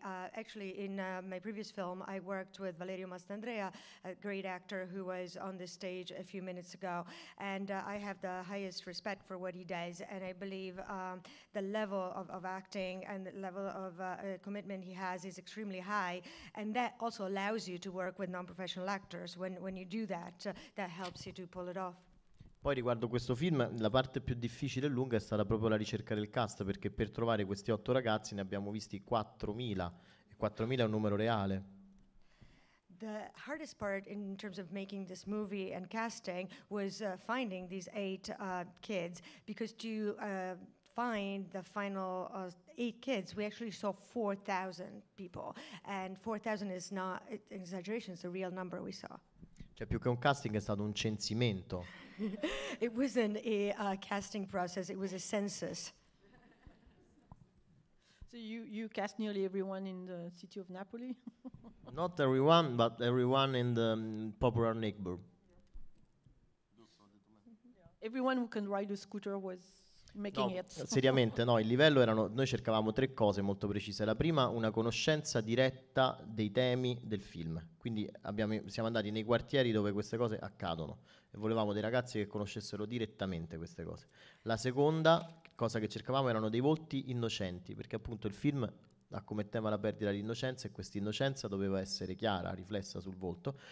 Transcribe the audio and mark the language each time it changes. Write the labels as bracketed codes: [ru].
[en] Actually, in my previous film, I worked with Valerio Mastandrea, a great actor who was on the stage a few minutes ago. And I have the highest respect for what he does. And I believe the level of acting and the level of commitment he has is extremely high. And that also allows you to work with non-professional actors when you do that. That helps you to pull it off. [it] Poi riguardo questo film, la parte più difficile e lunga è stata proprio la ricerca del cast, perché per trovare questi 8 ragazzi ne abbiamo visti 4.000, e 4.000 è un numero reale. [en] The hardest part in terms of making this movie and casting was finding these 8 kids, because to find the final 8 kids, we actually saw 4,000 people, and 4,000 is not an exaggeration, it's the real number we saw. [it] Cioè, più che un casting è stato un censimento. [en] It wasn't a casting process, it was a census. So you cast nearly everyone in the city of Napoli? Not everyone, but everyone in the popular neighborhood. Yeah. Everyone who can ride a scooter was making no, it. [it] Seriamente, no, il livello erano, noi cercavamo 3 cose molto precise. La prima, una conoscenza diretta dei temi del film. Quindi siamo andati nei quartieri dove queste cose accadono e volevamo dei ragazzi che conoscessero direttamente queste cose. La seconda cosa che cercavamo erano dei volti innocenti, perché appunto il film ha come tema la perdita dell'innocenza, e questa innocenza doveva essere chiara, riflessa sul volto.